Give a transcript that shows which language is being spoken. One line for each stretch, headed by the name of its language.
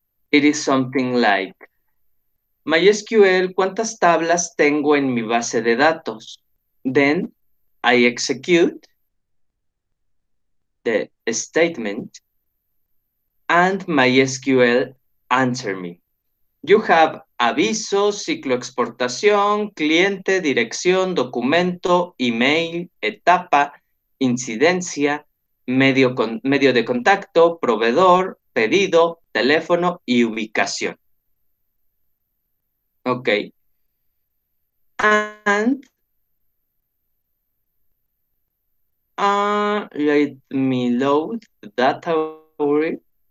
English: It is something like,
Spanish: MySQL, ¿cuántas tablas tengo en mi base de datos?
English: Then I execute the statement and MySQL answer me. You have aviso, ciclo exportación, cliente, dirección, documento, email, etapa, incidencia, medio de contacto, proveedor, pedido, teléfono y ubicación. Okay. And let me load data for it.